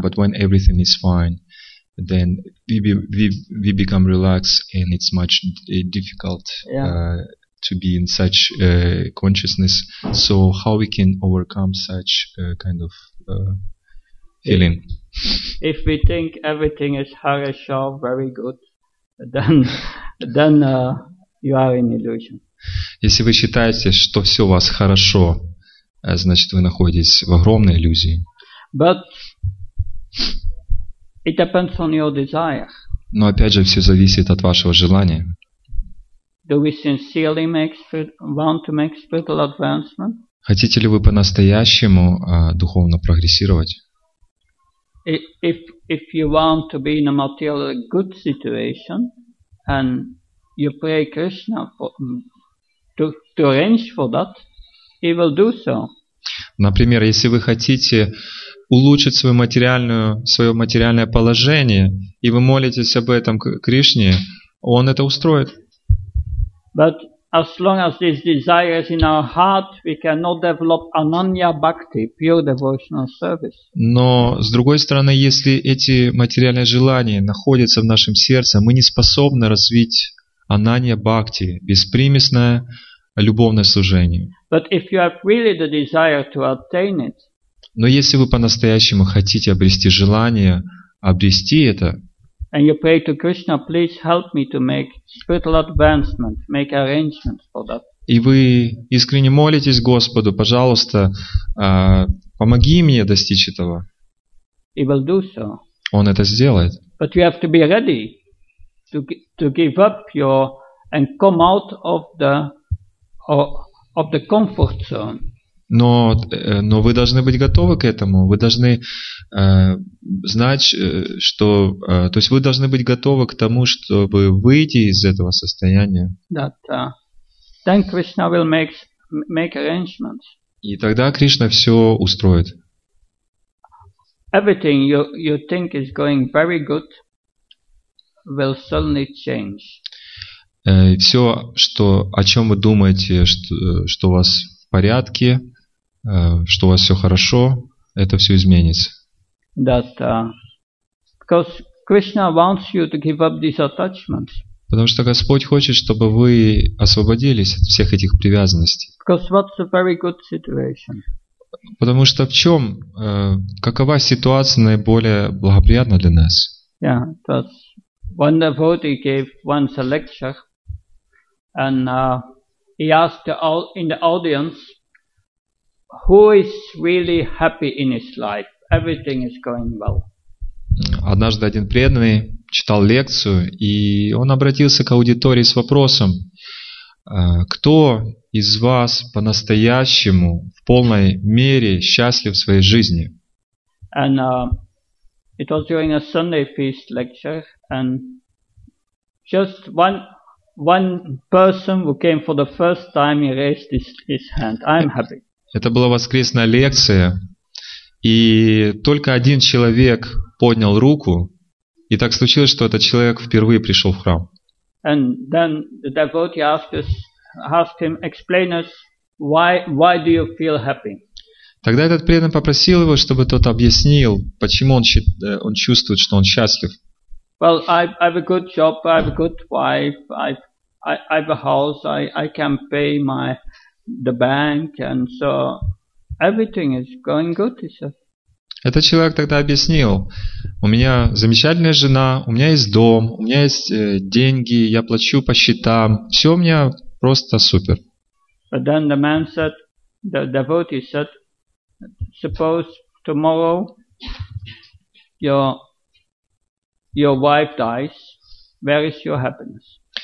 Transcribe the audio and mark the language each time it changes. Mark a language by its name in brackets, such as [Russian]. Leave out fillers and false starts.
[English] But when everything is fine, then we become relaxed, and it's much difficult to be in such consciousness. So how we can overcome such kind of feeling? If we think everything is harsh or very good, then you are in illusion. [Russian] Если вы считаете, что все у вас хорошо, значит, вы находитесь в огромной иллюзии. [English] But it depends on your desire. [Russian] Но опять же, все зависит от вашего желания. [English] Do we sincerely want to make spiritual advancement? [Russian] Хотите ли вы по-настоящему духовно прогрессировать? [English] If you want to be in a materially good situation and you pray Krishna to arrange for that, he will do so. [Russian] Например, если вы хотите улучшить свое материальное положение, и вы молитесь об этом Кришне, он это устроит. [English] But as long as this desire is in our heart, we cannot develop ananya bhakti, pure devotional service. [Russian] Но с другой стороны, если эти материальные желания находятся в нашем сердце, мы не способны развить ананья бхакти, беспримесное любовное служение. [English] But if you have really the desire to obtain it, [Russian] но если вы по-настоящему хотите обрести желание обрести это, [English] and you pray to Krishna, please help me to make spiritual advancement, make arrangements for that. [Russian] И вы искренне молитесь Господу, пожалуйста, помоги мне достичь этого. [English] He will do so. [Russian] Он это сделает. [English] But you have to be ready to give up your and come out of the of the comfort zone. [Russian] Но вы должны быть готовы к этому. Вы должны знать, что, то есть вы должны быть готовы к тому, чтобы выйти из этого состояния. [English] That, then Krishna will make arrangements. [Russian] И тогда Кришна все устроит. [English] Everything you think is going very good will suddenly change. [Russian] Все, что, о чем вы думаете, что у вас в порядке, что у вас все хорошо, это все изменится. [English] That, because Krishna wants you to give up these attachments. [Russian] Потому что Господь хочет, чтобы вы освободились от всех этих привязанностей. [English] Because what's a very good situation? [Russian] Потому что в чем, какова ситуация наиболее благоприятна для нас? [English] Yeah, that's when the devotee gave once a lecture, and he asked in the audience, who is really happy in his life? Everything is going well. [Russian] Однажды один преданный читал лекцию, и он обратился к аудитории с вопросом, кто из вас по-настоящему в полной мере счастлив в своей жизни? [English] And it was during a Sunday feast lecture, and just one person who came for the first time, he raised his hand. I'm happy. [Russian] Это была воскресная лекция, и только один человек поднял руку, и так случилось, что этот человек впервые пришел в храм. [English] And then the devotee asked him, explain us why do you feel happy? [Russian] Тогда этот преданный попросил его, чтобы тот объяснил, почему он чувствует, что он счастлив. [English] Well, I have a good job, I have a good wife, I have a house, I can pay my the bank, and so everything is going good, he said. [Russian] Этот человек тогда объяснил: у меня замечательная жена, у меня есть дом, у меня есть деньги, я плачу по счетам, все у меня просто супер. [English] But then the man said, the devotee said, suppose tomorrow your wife dies, where is your happiness?